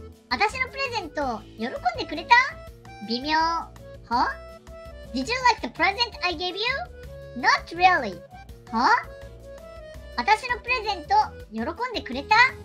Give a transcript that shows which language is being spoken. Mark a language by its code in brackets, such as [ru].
[ja] 私のプレゼント、喜んでくれた? 微妙。は? [en] Did you like the present I gave you? Not really. Huh? [ja] 私のプレゼント、喜んでくれた?